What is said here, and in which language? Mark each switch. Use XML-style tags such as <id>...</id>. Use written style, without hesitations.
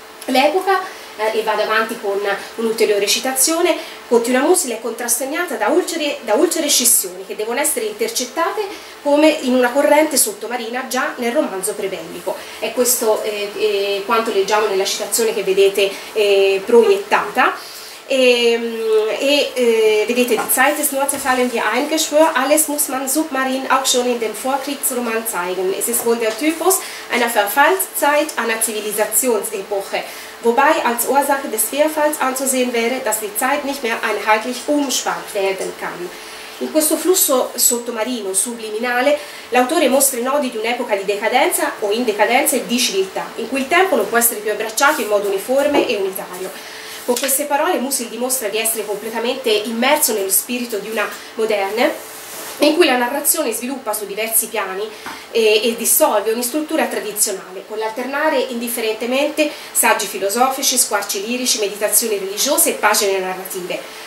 <it>L'epoca, e vado avanti con un'ulteriore citazione, continua Musil, è contrassegnata da ulcere scissioni che devono essere intercettate come in una corrente sottomarina già nel romanzo prebellico. È questo quanto leggiamo nella citazione che vedete proiettata.</it> <de>Vedete, die Zeit ist nur zerfallen wie ein Geschwür, alles muss man submarin auch schon in dem Vorkriegsroman zeigen. Es ist wohl der Typus einer Verfallszeit, einer Zivilisationsepoche, wobei als Ursache des Verfalls anzusehen wäre, dass die Zeit nicht mehr einheitlich umspannt werden kann.</de> <it>In questo flusso sottomarino, subliminale, l'autore mostra i nodi di un'epoca di decadenza o in decadenza e di civiltà, in cui il tempo non può essere più abbracciato in modo uniforme e unitario. Con queste parole Musil dimostra di essere completamente immerso nello spirito di una moderne in cui la narrazione sviluppa su diversi piani e dissolve ogni struttura tradizionale, con l'alternare indifferentemente saggi filosofici, squarci lirici, meditazioni religiose e pagine narrative.</it>